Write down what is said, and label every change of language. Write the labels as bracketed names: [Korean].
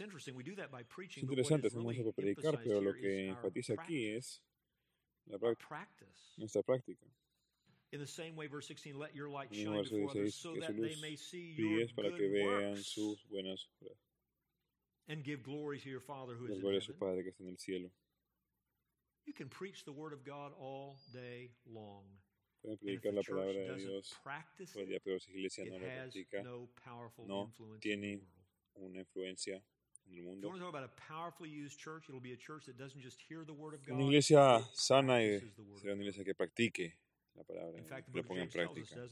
[Spanish] interesante, hacemos eso para predicar, pero lo que enfatiza aquí es la práctica, nuestra práctica. [English] In the same way, verse 16, let your light shine before others, so that they may see your good works. [Spanish] Para que vean sus buenas obras. [English] And give glory to your Father who is in heaven. [Spanish] Y gloria a su Padre que está en el cielo. [English] You can preach the word of God all day long. [Spanish] Pueden predicar la palabra de Dios todo el día, pero si la iglesia no la practica, no tiene una influencia. [English] If you want to talk about a powerfully used church, it'll be a church that doesn't just hear the word of God. [Spanish] Una iglesia sana será una iglesia que practique la palabra, lo ponga en práctica.